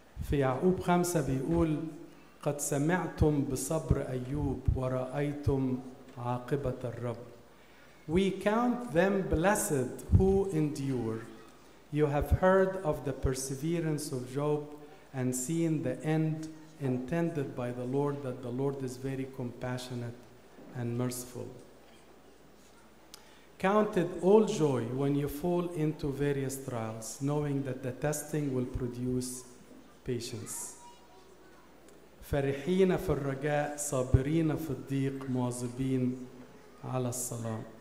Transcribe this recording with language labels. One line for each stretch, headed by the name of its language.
Arabic: في يعقوب 5 بيقول قد سمعتم بصبر أيوب ورأيتم عاقبة الرب.
English: We count them blessed who endure. You have heard of the perseverance of Job and seen the end intended by the Lord, that the Lord is very compassionate and merciful. Count it all joy when you fall into various trials, knowing that the testing will produce patience.
Arabic: فرحين في الرجاء صابرين في الضيق مواظبين على الصلاة.